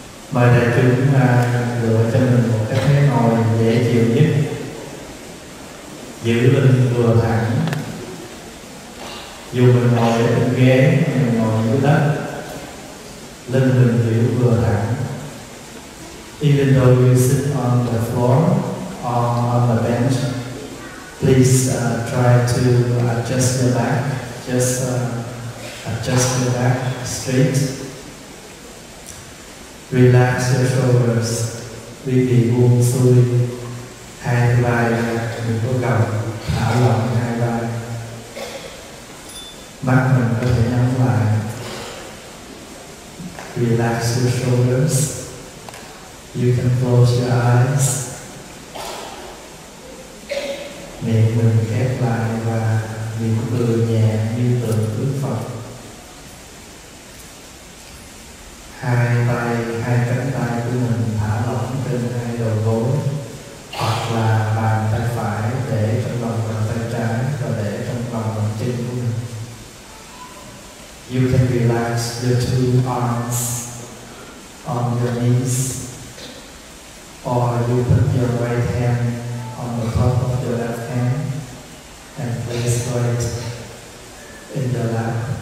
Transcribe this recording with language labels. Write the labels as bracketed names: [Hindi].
[Vietnamese] Mời đại chúng lựa cho mình một cái thế ngồi dễ chịu nhất, giữ lưng vừa thẳng. Dù mình ngồi ở trên ghế hay mình ngồi dưới đất, lưng mình giữ vừa thẳng. [English] Even though you sit on the floor or on the bench, please try to adjust your back. Just adjust your back straight. Relax your shoulders. [Vietnamese] Quý vị buông xuôi hai vai, đừng có gồng, thả lỏng hai vai. Mắt mình có thể nhắm lại. [English] Relax your shoulders. You can close your eyes. [Vietnamese] Miệng mình khép lại và mỉm cười nhẹ như tượng Đức Phật. Hai tay, hai cánh tay của mình thả lỏng trên hai đầu gối, hoặc là bàn tay phải để trong lòng bàn tay trái và để trong lòng bàn chân của mình. [English] You can relax your two arms on your knees, or you put your right hand on the top of your left hand and place right in the lap.